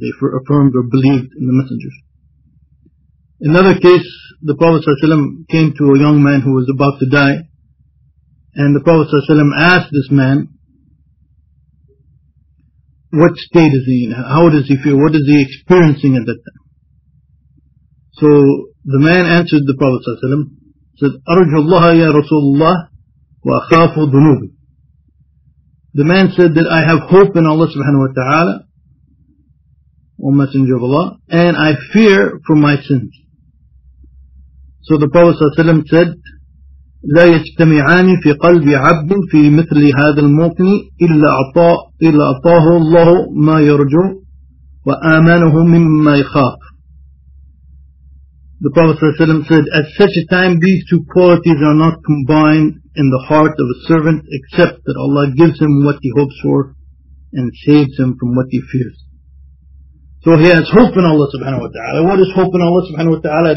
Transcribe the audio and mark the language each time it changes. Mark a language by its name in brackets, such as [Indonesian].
[English] They affirmed or believed in the messengers. Another case, the Prophet ﷺ came to a young man who was about to die, and the Prophet ﷺ asked this man, what state is he in? How does he feel? What is he experiencing at that time? So the man answered the Prophet ﷺ, said, أَرْجُ اللَّهَ يَا رَسُولُ اللَّهِ وَأَخَافُ ذُنُوبِ. The man said that I have hope in Allah subhanahu wa ta'ala, O Messenger of Allah, and I fear for my sins. [Arabic] So the Prophet ﷺ said, لَا يَجْتَمِعَانِ فِي قَلْبِ عَبْدٍ فِي مِثْلِ هَذَا الْمُوْقِنِ إِلَّا أَطَاهُ اللَّهُ مَا يَرْجُعُ وَآمَنُهُ مِمَّا يَخَافُ. [English] The Prophet ﷺ said, at such a time these two qualities are not combined in the heart of a servant except that Allah gives him what he hopes for and saves him from what he fears. So he has hope in Allah subhanahu wa ta'ala. What is hope in Allah subhanahu wa ta'ala?